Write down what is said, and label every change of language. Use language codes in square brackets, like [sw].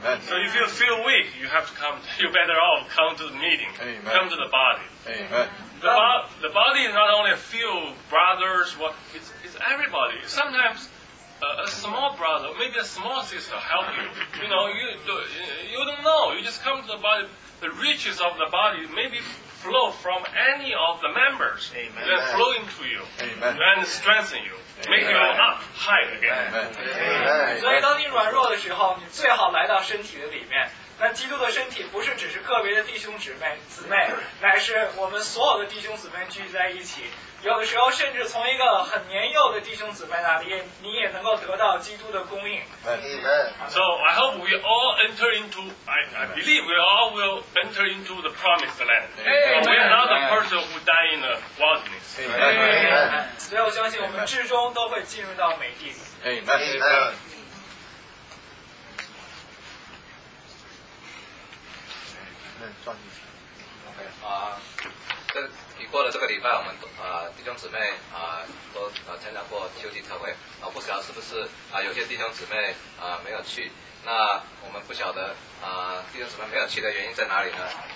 [en] Amen. So if you feel weak, you have to come. You better off come to the meeting. Amen. Come to the body. Amen. The body is not only a few brothers, it's everybody. Sometimes a small brother, maybe a small sister help you. You know, you don't know. You just come to the body. The riches of the body maybe flow from any of the members. Amen. They're flowing to you. Amen. And strengthen you. Make you up high again. Amen. Amen. [zh] 所以当你软弱的时候，你最好来到身体的里面。但基督的身体不是只是个别的弟兄姊妹，乃是我们所有的弟兄姊妹聚集在一起。有的时候，甚至从一个很年幼的弟兄姊妹那里，你也能够得到基督的供应。 [en] Amen. So I hope we all enter into. I believe we all will enter into the promised land. Amen. We are not the person who die in the wilderness. Amen. Amen. Amen. [zh] 所以我相信，我们至终都会进入到美地。 [en] Amen. Amen. [zh] 已过了这个礼拜，我们弟兄姊妹都参加过休息特会，不晓得是不是有些弟兄姊妹没有去，那我们不晓得弟兄姊妹没有去的原因在哪里呢？